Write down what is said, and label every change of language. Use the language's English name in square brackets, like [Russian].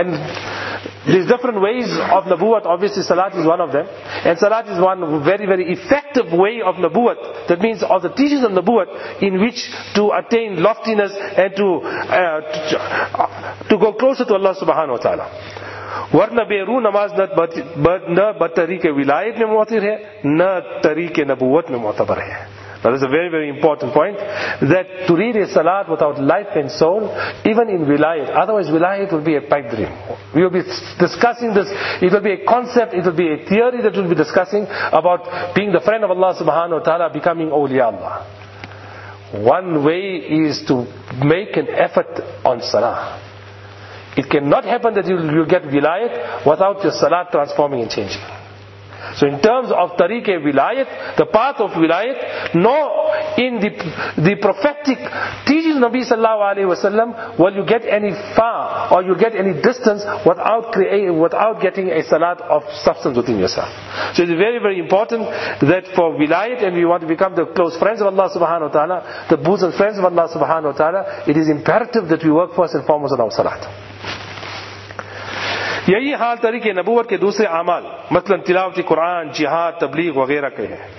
[English] And these different ways of nabuwat, obviously salat is one of them. And salat is one very very effective way of nabuwat. That means all the teachings of nabuwat in which to attain loftiness and to go closer to Allah subhanahu wa ta'ala. [Urdu] ورنہ بے روح نماز نہ بطریق ولایت میں معتبر ہے نہ طریق نبوت میں معتبر ہے. [English] Now this is a very very important point, that to read a salat without life and soul, even in wilayat, otherwise wilayat will be a pipe dream. We will be discussing this, it will be a concept, it will be a theory that we will be discussing about being the friend of Allah subhanahu wa ta'ala, becoming awliya Allah. One way is to make an effort on salah. It cannot happen that you get vilayat without your salat transforming and changing. So in terms of tariq-e vilayat, the path of vilayat, nor in the prophetic teachings of Nabi sallallahu alayhi wa sallam, will you get any far or you get any distance without getting a salat of substance within yourself. So it's very, very important that for vilayat, and we want to become the close friends of Allah subhanahu wa ta'ala, the bosom friends of Allah subhanahu wa ta'ala, it is imperative that we work first and foremost on our salat. [Urdu] یہی حال طریق نبوت کے دوسرے اعمال مثلا تلاوت قرآن جہاد تبلیغ وغیرہ کے ہیں.